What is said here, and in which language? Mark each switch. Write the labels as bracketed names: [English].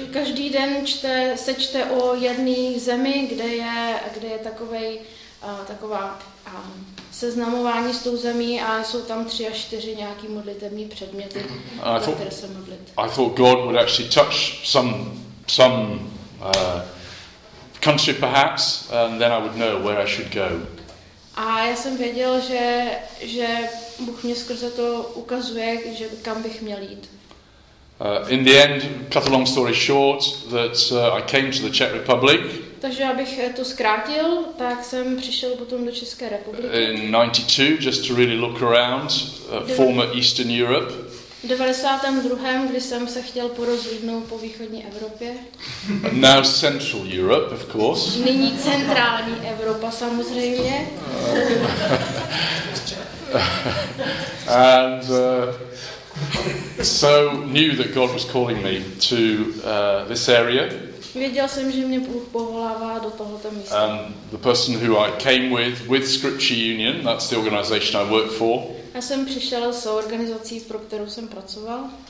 [Czech] Každý den sečte o jedné zemi, kde je taková seznamování s tou zemí a jsou tam tři až čtyři nějaký modlitevní předměty, za které se modlit. [English] I thought God would actually touch some country perhaps, and then I would know where I should go. [Czech] A já jsem věděl, že Bůh mě skrze to ukazuje, že kam bych měl jít. [English] In the end, cut a long story short, that I came to the Czech Republic. [Czech] Takže abych to zkrátil, tak jsem přišel potom do České republiky. [English] In 92, just to really look around, former Eastern Europe. [Czech] V 92, kdy jsem se chtěl porozhlídnout po východní Evropě. [English] Now Central Europe, of course. [Czech] Nyní centrální Evropa, samozřejmě. [English] And so knew that God was calling me to this area. [Czech] Věděl jsem, že mě Bůh povolává do tohoto místa. [English] The person who I came with Scripture Union, that's the organization I work for. [Czech] Já jsem přišel s organizací, pro kterou jsem pracoval.